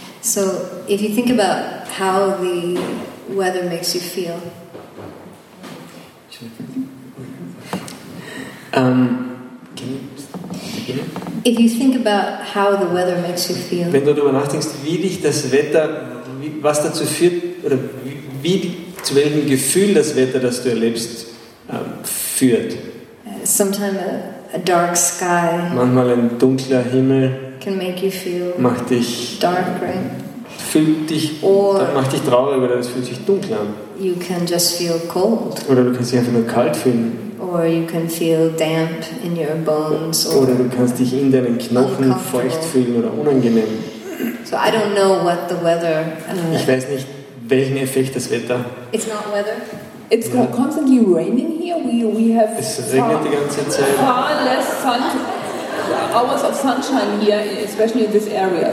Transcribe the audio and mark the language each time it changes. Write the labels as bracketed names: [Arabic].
[English] So if you think about how the weather makes you feel, if you think about how the weather makes you feel, [German] wenn du darüber nachdenkst, wie dich das Wetter, was dazu führt, oder wie zu welchem Gefühl das Wetter, das du erlebst, führt. [English] Sometimes a dark sky, [German] manchmal ein dunkler Himmel, [English] can make you feel, [German] macht dich [English] dark, right? [German] Fühlt dich, [English] or [German] macht dich traurig, oder es fühlt sich dunkel an. [English] You can just feel cold, [German] oder du kannst dich einfach nur kalt fühlen. [English] Or you can feel damp in your bones, [German] oder du kannst dich in deinen Knochen feucht fühlen oder unangenehm. [English] So I don't know what the weather, [German] ich weiß nicht, welchen Effekt das Wetter. [English] It's not weather. It's constantly raining here. We have far less sun, hours of sunshine here, especially in this area.